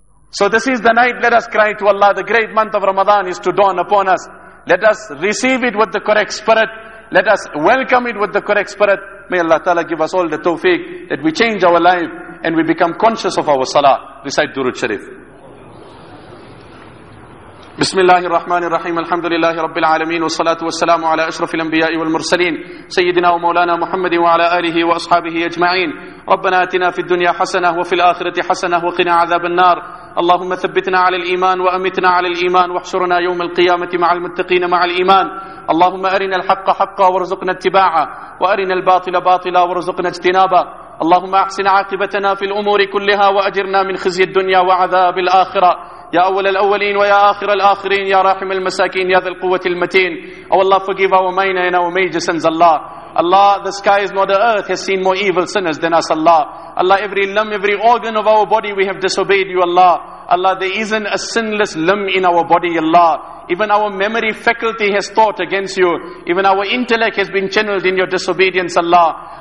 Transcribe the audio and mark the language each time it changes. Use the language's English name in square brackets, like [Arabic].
[English] So this is the night, let us cry to Allah. The great month of Ramadan is to dawn upon us. Let us receive it with the correct spirit. Let us welcome it with the correct spirit. May Allah Ta'ala give us all the tawfiq that we change our life and we become conscious of our salah. Recite Durud Sharif. [Arabic] بسم الله الرحمن الرحيم الحمد لله رب العالمين والصلاة والسلام على أشرف الأنبياء والمرسلين سيدنا ومولانا محمد وعلى آله وأصحابه أجمعين. ربنا آتنا في الدنيا حسنة وفي الآخرة حسنة وقنا عذاب النار. اللهم ثبتنا على الإيمان وأمتنا على الإيمان واحشرنا يوم القيامة مع المتقين مع الإيمان. اللهم أرنا الحق حقا وارزقنا اتباعه وأرنا الباطل باطلا وارزقنا اجتنابه. اللهم أحسن عاقبتنا في الأمور كلها وأجرنا من خزي الدنيا وعذاب الآخرة. يا أول الأولين ويا آخر الآخرين يا راحم المساكين يا ذا القوة المتين. [English] Oh Allah, forgive our minor and our major sins, Allah. Allah, the sky is not the earth, has seen more evil sinners than us, Allah. Allah, every limb, every organ of our body, we have disobeyed you, Allah. Allah, there isn't a sinless limb in our body, Allah. Even our memory faculty has thought against you. Even our intellect has been channeled in your disobedience, Allah.